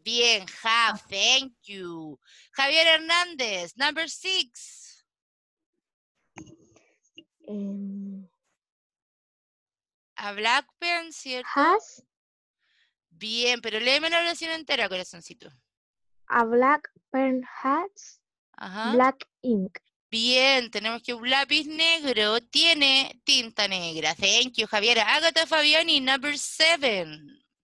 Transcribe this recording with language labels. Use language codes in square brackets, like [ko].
[en] Bien, have, thank you. Javier Hernández, number six. A black pen, ¿cierto? Has. [es] Bien, pero léeme la oración entera, corazoncito. [en] A black pen has black ink. [es] Bien, tenemos que un lápiz negro tiene tinta negra. [en] Thank you, [es] Javiera. [en] Agatha Fabiani, number seven.